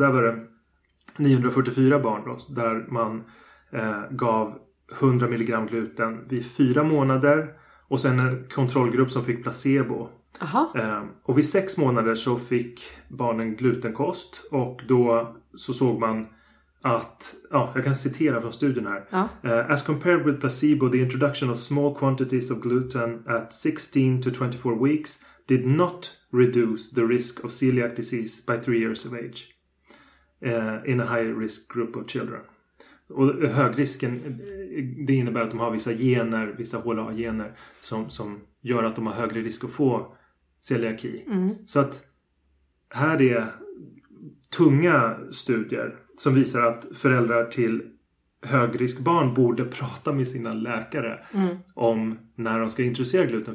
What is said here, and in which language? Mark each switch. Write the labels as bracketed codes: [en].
[sv] Där var det 944 barn då, där man gav 100 mg gluten vid 4 månader. Och sen en kontrollgrupp som fick placebo. Aha. Och vid 6 månader så fick barnen glutenkost. Och då så såg man att, ja, jag kan citera från studien här. Ja. [en] As compared with placebo, the introduction of small quantities of gluten at 16 to 24 weeks did not reduce the risk of celiac disease by 3 years of age. In a high risk group of children. [sv] Och högrisken, det innebär att de har vissa gener, vissa HLA-gener som gör att de har högre risk att få celiaki. Mm. Så att här är tunga studier som visar att föräldrar till högriskbarn borde prata med sina läkare om när de ska introducera gluten.